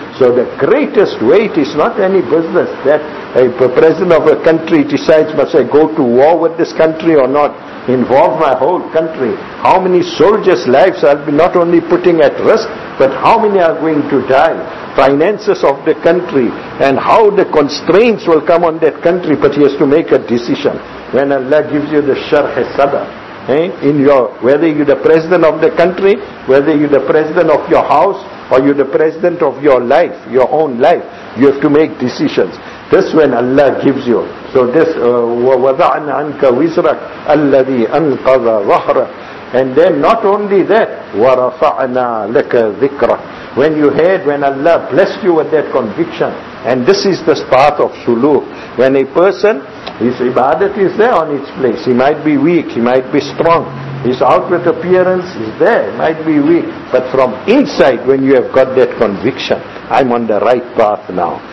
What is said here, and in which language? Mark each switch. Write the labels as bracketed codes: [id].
[en] So the greatest weight is not any business that a president of a country decides, must I go to war with this country or not, involve my whole country, how many soldiers' lives I'll be not only putting at risk, but how many are going to die, finances of the country, and how the constraints will come on that country. But he has to make a decision. When Allah gives you the sharh sadr, in your, whether you're the president of the country, whether you're the president of your house, or you're the president of your life, your own life, you have to make decisions. This when Allah gives you. So this, [ar] وَوَضَعْنَا عَنْكَ وِزْرَكَ الَّذِي أَنْقَضَ ظَهْرَكَ. [en] And then not only that, [ar] وَرَفَعْنَا لَكَ ذِكْرَكَ. [en] When you heard, when Allah blessed you with that conviction, and this is the path of suluk. When a person, his ibadat is there on its place, he might be weak, he might be strong. His outward appearance is there, might be weak. But from inside, when you have got that conviction, I'm on the right path now.